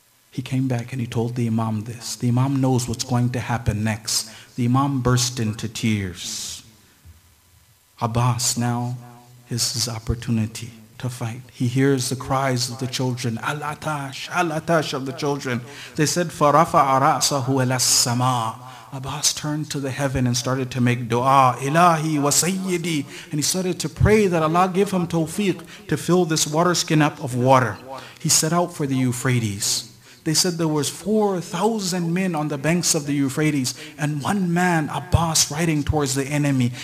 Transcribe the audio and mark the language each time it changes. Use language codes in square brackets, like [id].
[en] He came back and he told the Imam this. The Imam knows what's going to happen next. The Imam burst into tears. Abbas, now is his opportunity to fight. He hears the cries of the children, Al-Atash, Al-Atash of the children. They said, [ar] فَرَفَعَ رَأْسَهُ إِلَى السَّمَاءِ. [en] Abbas turned to the heaven and started to make dua, [ar] Ilahi wa Sayyidi, [en] and he started to pray that Allah give him tawfiq to fill this water skin up of water. He set out for the Euphrates. They said there was 4,000 men on the banks of the Euphrates and one man, Abbas, riding towards the enemy.